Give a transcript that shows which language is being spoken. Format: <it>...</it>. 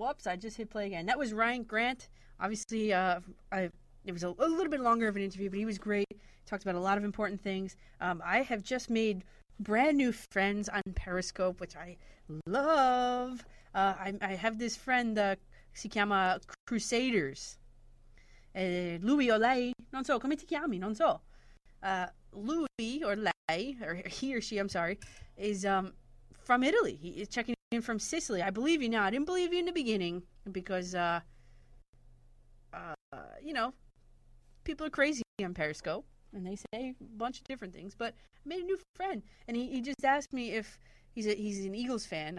<en>Whoops, I just hit play again. That was Ryan Grant. Obviously, it was a little bit longer of an interview, but he was great. Talked about a lot of important things. I have just made brand new friends on Periscope, which I love. I have this friend,</en> <it>si chiama</it> <en>Crusaders.</en> <it>Lui o lei, non so, come ti chiami, non so. Lui</it> <en>or</en> <it>lei,</it> <en>or he or she, I'm sorry, is from Italy. He is checking in from Sicily. I believe you now. I didn't believe you in the beginning because, people are crazy on Periscope, and they say a bunch of different things, but I made a new friend, and he just asked me if he's an Eagles fan.</en>